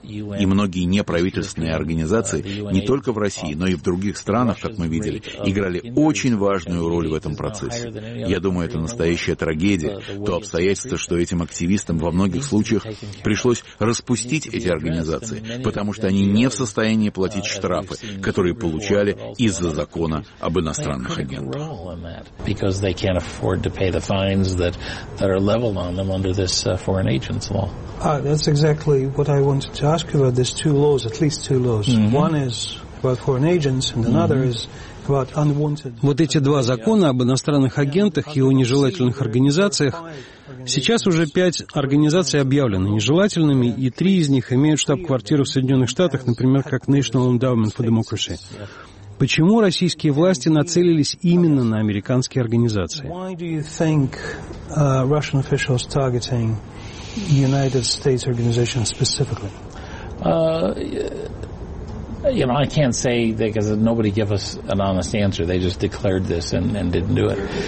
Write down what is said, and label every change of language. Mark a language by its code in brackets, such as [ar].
[ru] И многие неправительственные организации, не только в России, но и в других странах, как мы видели, играли очень важную роль в этом процессе. Я думаю, это настоящая трагедия. То обстоятельство, что этим активистам во многих случаях пришлось распустить эти организации, потому что они не в состоянии платить штрафы, которые получали из-за закона об иностранных агентах. [en] Because they can't afford to pay the fines that are leveled on them under this foreign agents law. Ah, that's exactly what I wanted to ask you about. There's two laws, at least two laws. Mm-hmm. One is about foreign agents, and another is about unwanted. [ru] Вот эти два закона об иностранных агентах и о нежелательных организациях. Сейчас уже 5 организаций объявлены нежелательными, и 3 из них имеют штаб-квартиру в Соединенных Штатах, например, как National Endowment for Democracy. Почему российские власти нацелились именно на американские организации? [en] Why do you think Russian officials targeting United States organizations specifically? You know, I can't say because nobody gave us an honest answer. They just declared this and didn't do it.